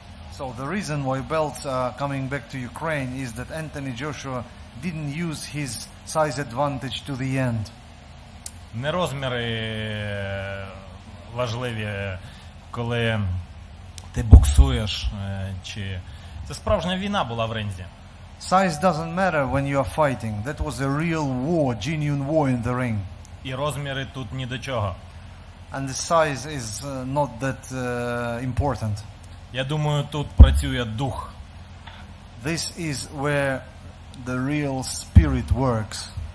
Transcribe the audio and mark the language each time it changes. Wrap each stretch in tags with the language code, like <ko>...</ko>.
<en>So the reason why belts are coming back to Ukraine is that Anthony Joshua didn't use his size advantage to the end.</en> <uk>Не розміри важливі, коли ти боксуєш чи це справжня війна була в ринзі.</uk> <en>Size doesn't matter when you are fighting. That was a real war, genuine war in the ring.</en> <uk>І розміри тут ні до чого.</uk> <en>And the size is not that important.</en> <uk>Я думаю, тут працює дух.</uk> <en>This is where the real spirit works.</en>